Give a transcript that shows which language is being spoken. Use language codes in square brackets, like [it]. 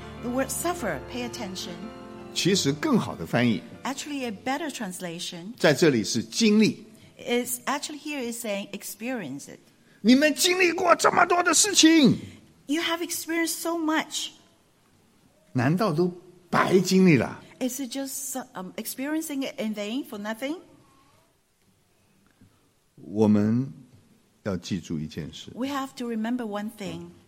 [en] The word suffer, pay attention. [zh] 其实更好的翻译， [en] Actually a better translation. [zh] 在这里是经历， [en] It's actually here is saying experience it. [zh] 你们经历过这么多的事情， [en] You have experienced so much. [zh] 难道都白经历了？ [en] Is it just experiencing it in vain for nothing? [zh] 我们要记住一件事。 [en] We have to remember one thing.